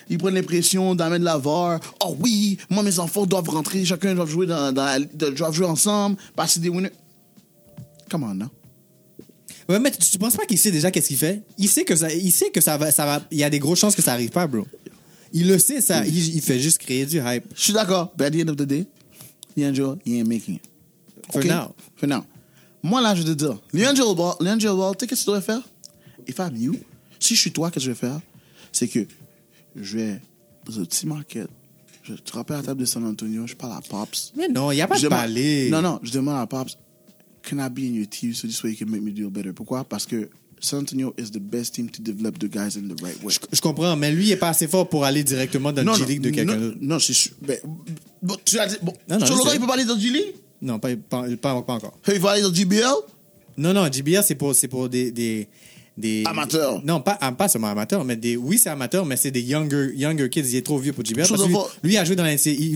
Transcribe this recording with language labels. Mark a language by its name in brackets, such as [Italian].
[French] Ils prennent les pressions d'amener de la VAR. Oh oui, moi, mes enfants doivent rentrer. Chacun doit jouer ensemble. Parce que c'est des winners. [English] Come on, [French] non? Ouais, mais tu penses pas qu'il sait déjà qu'est-ce qu'il fait? Il sait que ça va. Il y a des grosses chances que ça arrive pas, bro. Il le sait, ça. Il fait juste créer du hype. Je suis d'accord. [English] But at the end of the day, Leandro, he ain't making it. For now. [French] Moi, là, je te dis, Leandro Ball, tu sais, qu'est-ce que tu devrais faire? [English] If I'm you, [French] si je suis toi, qu'est-ce que je vais faire? C'est que je vais dans un petit market. Je te rappelle à la table de San Antonio. Je parle à Pops. Mais non, il n'y a pas de palais. Non, je demande à Pops. [English] Can I be in your team so this way you can make me do better? [French] Pourquoi? Parce que [English] San Antonio is the best team to develop the guys in the right way. [French] Je comprends, mais lui, il n'est pas assez fort pour aller directement dans le G-League de quelqu'un d'autre. Non, c'est sûr. Tu as dit. Sur le il peut pas aller dans le G-League? Non, pas encore. Il va aller dans le GBL? Non, GBL, c'est pour des amateurs. Non, pas seulement amateurs, mais des. Oui, c'est amateur, mais c'est des [English] younger kids. [French] Il est trop vieux pour GBL. Lui, il a joué dans la NCAA.